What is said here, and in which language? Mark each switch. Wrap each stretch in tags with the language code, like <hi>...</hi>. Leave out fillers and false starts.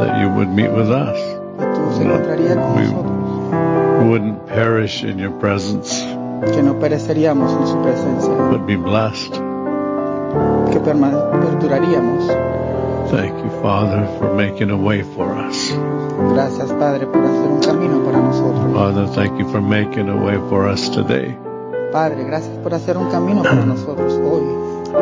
<en>that you would meet with us,</en> <es>que tú se encontraría con nosotros.</es> <en>We wouldn't perish in your presence,</en> <es>que no pereceríamos en su presencia,</es> <en>but be blessed,</en> <es>que perduraríamos.</es> <en>Thank you, Father, for making a way for us.</en> <es>Gracias, Padre, por hacer un camino para nosotros.</es> <en>Father, thank you for making a way for us today.</en> <es>Padre, gracias por hacer un camino para nosotros hoy.</es>